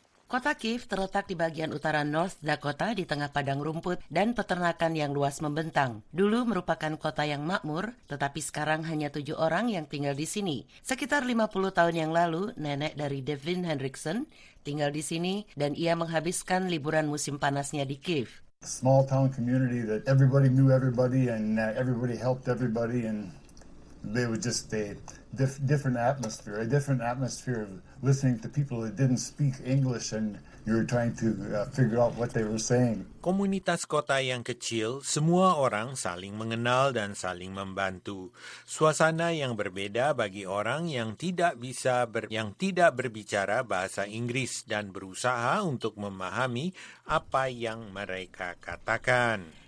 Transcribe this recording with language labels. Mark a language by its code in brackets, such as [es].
[id] Kota Kiev terletak di bagian utara North Dakota di tengah padang rumput dan peternakan yang luas membentang. Dulu merupakan kota yang makmur, tetapi sekarang hanya 7 orang yang tinggal di sini. Sekitar 50 tahun yang lalu, nenek dari Devin Hendrickson tinggal di sini dan ia menghabiskan liburan musim panasnya di Kiev. [en] A small town community that everybody knew everybody and everybody helped everybody and they would just a different atmosphere, of listening to people that didn't speak English and you're trying to figure out what they were saying. [id] Komunitas kota yang kecil, semua orang saling mengenal dan saling membantu. Suasana yang berbeda bagi orang yang tidak berbicara bahasa Inggris dan berusaha untuk memahami apa yang mereka katakan.